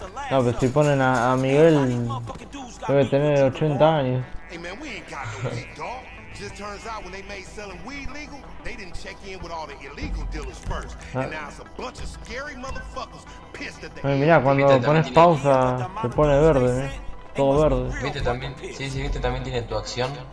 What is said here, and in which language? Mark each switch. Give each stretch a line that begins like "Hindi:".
Spanish: No, pero si ponen a Miguel, debe tener 80 años.
English: Hey man, we ain't got no weed, dog. Just turns out when they made selling weed legal, they didn't check in with all the illegal dealers first. And now it's a bunch of scary motherfuckers pissed at the.
Spanish: Mira, cuando pones pausa, se pone verde, todo verde. Viste también, sí, viste también tiene tu acción.